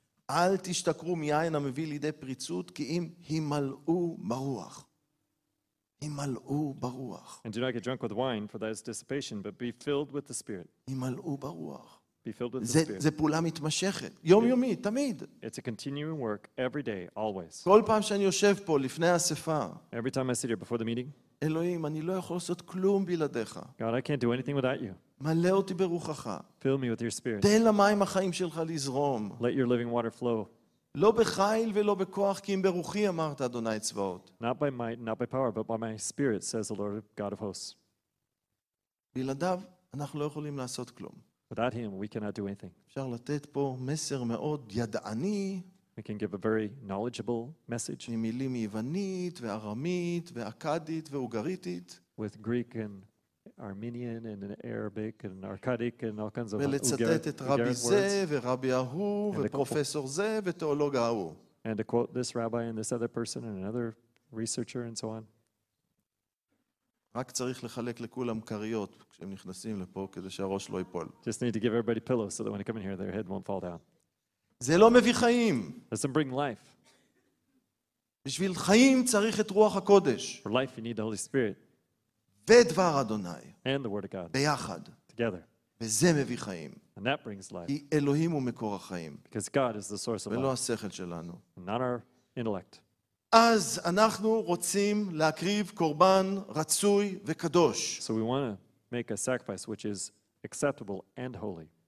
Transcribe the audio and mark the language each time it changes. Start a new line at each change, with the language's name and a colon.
Hebrew: אל תשתקרו מיין המביא לידי פריצות, כי אם הימלאו ברוח. הימלאו ברוח.
English: And do not get drunk with wine, for that is dissipation, but be filled with the Spirit.
Hebrew: הימלאו ברוח.
English: Be filled with the Spirit.
Hebrew: זה פעולה מתמשכת. יומיומי, תמיד.
English: It's a continuing work, every day, always.
Hebrew: כל פעם שאני יושב פה, לפני האספה.
English: Every time I sit here before the meeting.
Hebrew: אלוהים, אני לא יכול לעשות כלום בלעדיך.
English: God, I can't do anything without you.
Hebrew: מלא אותי ברוחך.
English: Fill me with your Spirit.
Hebrew: תן למים החיים שלך לזרום.
English: Let your living water flow.
Hebrew: לא בחיל ולא בכוח, כי אם ברוחי אמרת, אדוני צבאות.
English: Not by might, not by power, but by my Spirit, says the Lord God of hosts.
Hebrew: בלעדיו, אנחנו לא יכולים לעשות כלום.
English: Without him, we cannot do anything.
Hebrew: אפשר לתת פה מסר מאוד ידעני.
English: We can give a very knowledgeable message.
Hebrew: ממילים יוונית וארמית ואקדית ואוגריתית.
English: With Greek and Armenian and Arabic and Arkadic and all kinds of Ugarit words.
Hebrew: ולצטט את רבי זה ורבי ההוא ופרופסור זה ותיאולוג ההוא.
English: And to quote this rabbi and this other person and another researcher and so on.
Hebrew: רק צריך לחלק לכולם קריות כשהם נכנסים לפה כדי שהראש לא ייפול.
English: Just need to give everybody pillows so that when they come in here their head won't fall down.
Hebrew: זה לא מביא חיים.
English: That's not bring life.
Hebrew: בשביל חיים צריך את רוח הקודש.
English: For life you need the Holy Spirit.
Hebrew: ודבר אדוני.
English: And the word of God.
Hebrew: ביחד.
English: Together.
Hebrew: וזה מביא חיים.
English: And that brings life.
Hebrew: כי אלוהים הוא מקור החיים.
English: Because God is the source of life.
Hebrew: ולא השכל שלנו.
English: Not our intellect.
Hebrew: אז אנחנו רוצים להקריב קורבן רצוי וקדוש.
English: So we want to make a sacrifice which is acceptable and holy.